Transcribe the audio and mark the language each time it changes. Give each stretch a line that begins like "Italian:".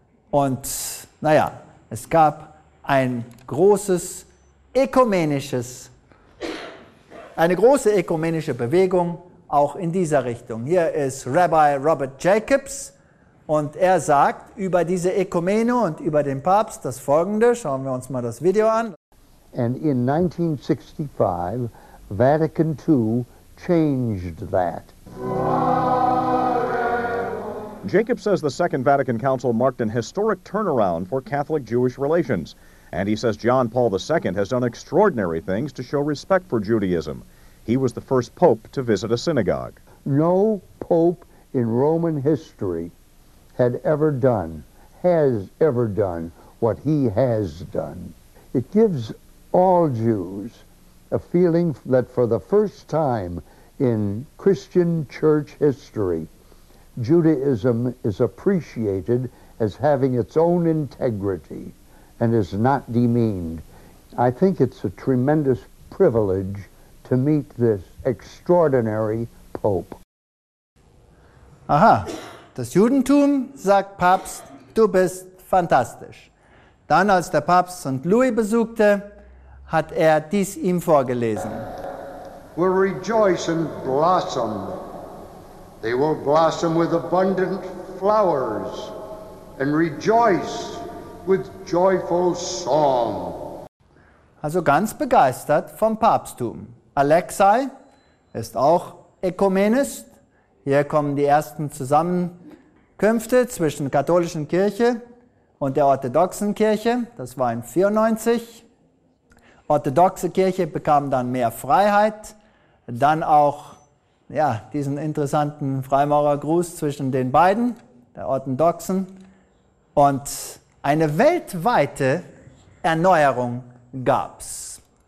German: und naja, es gab ein großes ökumenisches, eine große ökumenische Bewegung auch in dieser Richtung. Hier ist Rabbi Robert Jacobs und er sagt über diese Ökumene und über den Papst das Folgende, schauen wir uns mal das Video an.
English: And in 1965, Vatican II changed that. Jacob says the Second Vatican Council marked an historic turnaround for Catholic-Jewish relations. And he says John Paul II has done extraordinary things to show respect for Judaism. He was the first pope to visit a synagogue. No pope in Roman history has ever done what he has done. It gives all Jews a feeling that for the first time in Christian church history, Judaism is appreciated as having its own integrity and is not demeaned. I think it's a tremendous privilege to meet this extraordinary Pope.
German: Aha, das Judentum, sagt Papst, du bist fantastisch. Dann, als der Papst St. Louis besuchte, hat er dies ihm vorgelesen.
English: Will rejoice and blossom. They will blossom with abundant flowers and rejoice with joyful song.
German: Also ganz begeistert vom Papsttum. Alexei ist auch Ökumenist. Hier kommen die ersten Zusammenkünfte zwischen der katholischen Kirche und der orthodoxen Kirche. Das war in 94. Orthodoxe Kirche bekam dann mehr Freiheit, dann auch ja, diesen interessanten Freimaurergruß zwischen den beiden, der Orthodoxen, und eine weltweite Erneuerung gab's.